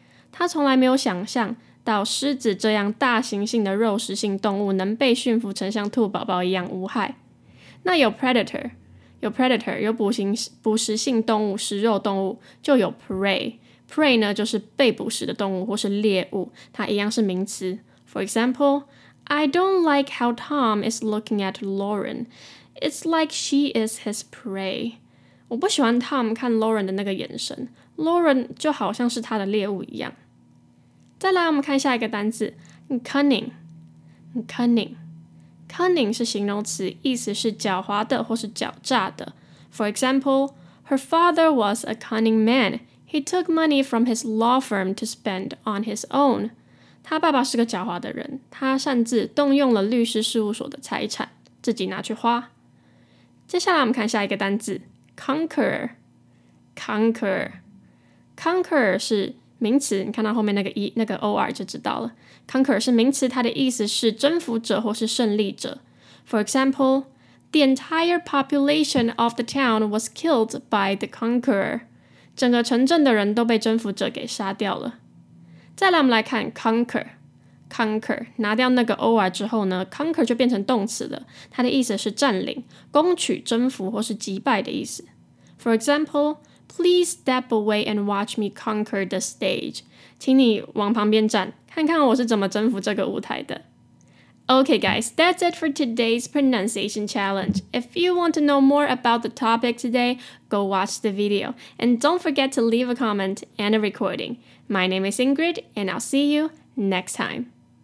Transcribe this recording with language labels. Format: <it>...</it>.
<zh>他从来没有想象到狮子这样大型性的肉食性动物能被驯服成像兔宝宝一样无害。那有 predator, 有 predator, 有捕食性动物、食肉动物，就有 prey。 prey 呢，就是被捕食的动物或是猎物，它一样是名词。</zh> <en>For example, I don't like how Tom is looking at Lauren. It's like she is his prey.</en> <zh>我不喜欢 Tom 看 Lauren 的那个眼神。 Lauren 就好像是他的猎物一样。再来，我们看下一个单字 ，cunning。cunning。 cunning 是形容词，意思是狡猾的或是狡诈的。</zh> <en>For example, her father was a cunning man. He took money from his law firm to spend on his own.</en> <zh>他爸爸是个狡猾的人，他擅自动用了律师事务所的财产，自己拿去花。接下来我们看下一个单字 ，conquer。conquer。 conquer 是名词，你看到后面那个 or 就知道了。 conquer 是名词，它的意思是征服者或是胜利者。</zh> <en>For example, the entire population of the town was killed by the conqueror.</en> <zh>整个城镇的人都被征服者给杀掉了。再来我们来看 conquer。Conquer 拿掉那个 or 之后呢 ，conquer 就变成动词了。它的意思是占领、攻取、征服或是击败的意思。</zh> <en>For example, please step away and watch me conquer the stage.</en> <zh>请你往旁边站，看看我是怎么征服这个舞台的。</zh> <en>Okay, guys, that's it for today's pronunciation challenge. If you want to know more about the topic today, go watch the video and don't forget to leave a comment and a recording. My name is Ingrid, and I'll see you. Next time.</en>